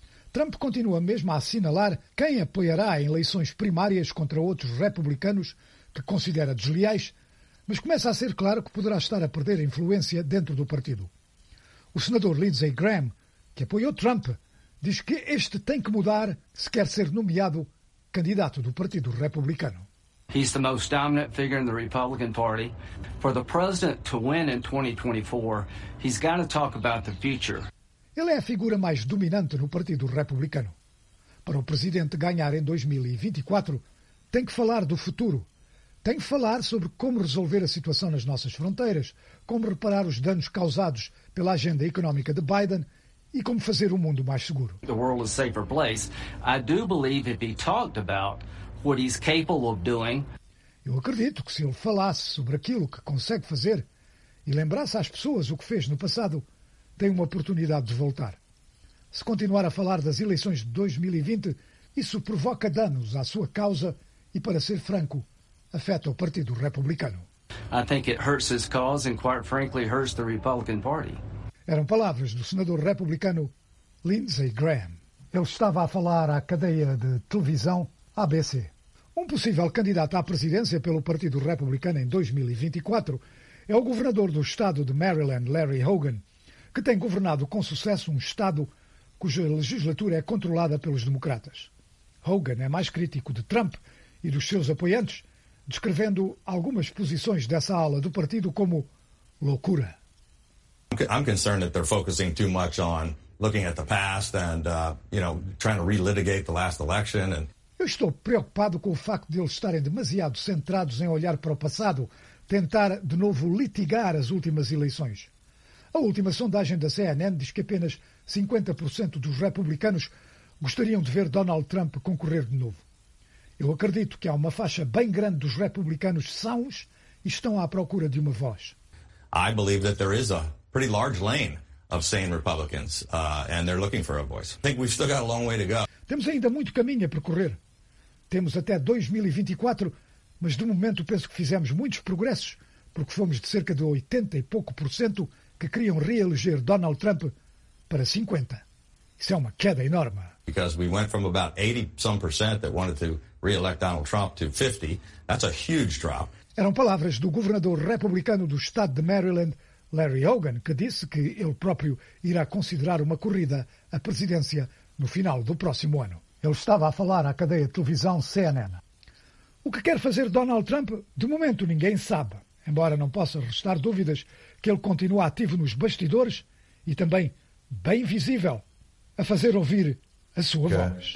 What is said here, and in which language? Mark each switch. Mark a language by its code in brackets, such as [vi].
[pt] Trump continua mesmo a assinalar quem apoiará em eleições primárias contra outros republicanos que considera desleais, mas começa a ser claro que poderá estar a perder influência dentro do partido. O senador Lindsey Graham, que apoiou Trump, diz que este tem que mudar se quer ser nomeado candidato do Partido Republicano. [en] He's the most dominant figure in the Republican Party. For the president to win in 2024, he's got to talk about the future. [pt] Ele é a figura mais dominante no Partido Republicano. Para o presidente ganhar em 2024, tem que falar do futuro. Tem que falar sobre como resolver a situação nas nossas fronteiras, como reparar os danos causados pela agenda económica de Biden e como fazer o mundo mais seguro. [en] The world is a safer place. I do believe if he talked about what he's capable of doing. [pt] Eu acredito que se ele falasse sobre aquilo que consegue fazer e lembrasse às pessoas o que fez no passado, tem uma oportunidade de voltar. Se continuar a falar das eleições de 2020, isso provoca danos à sua causa e, para ser franco, afeta o Partido Republicano. [en] I think it hurts his cause and quite frankly hurts the Republican Party. [pt] Eram palavras do senador republicano Lindsey Graham. Ele estava a falar à cadeia de televisão ABC. Um possível candidato à presidência pelo Partido Republicano em 2024 é o governador do estado de Maryland, Larry Hogan, que tem governado com sucesso um estado cuja legislatura é controlada pelos democratas. Hogan é mais crítico de Trump e dos seus apoiantes, descrevendo algumas posições dessa ala do partido como loucura. [en] I'm concerned that they're focusing too much on looking at the past and, you know, trying to relitigate the last election and... [pt] Eu estou preocupado com o facto de eles estarem demasiado centrados em olhar para o passado, tentar de novo litigar as últimas eleições. A última sondagem da CNN diz que apenas 50% dos republicanos gostariam de ver Donald Trump concorrer de novo. Eu acredito que há uma faixa bem grande dos republicanos sãos e estão à procura de uma voz. [en] I believe that there is a pretty large lane of sane Republicans, and they're looking for a voice. I think we've still got a long way to go. [pt] Temos ainda muito caminho a percorrer. Temos até 2024, mas de momento penso que fizemos muitos progressos, porque fomos de cerca de 80 e pouco por cento que queriam reeleger Donald Trump para 50. Isso é uma queda enorme. [en] Because we went from about 80 some percent that wanted to re-elect Donald Trump to 50, that's a huge drop. [pt] Eram palavras do governador republicano do estado de Maryland, Larry Hogan, que disse que ele próprio irá considerar uma corrida à presidência no final do próximo ano. Ele estava a falar à cadeia de televisão CNN. O que quer fazer Donald Trump, de momento ninguém sabe, embora não possa restar dúvidas que ele continua ativo nos bastidores e também bem visível a fazer ouvir a sua voz.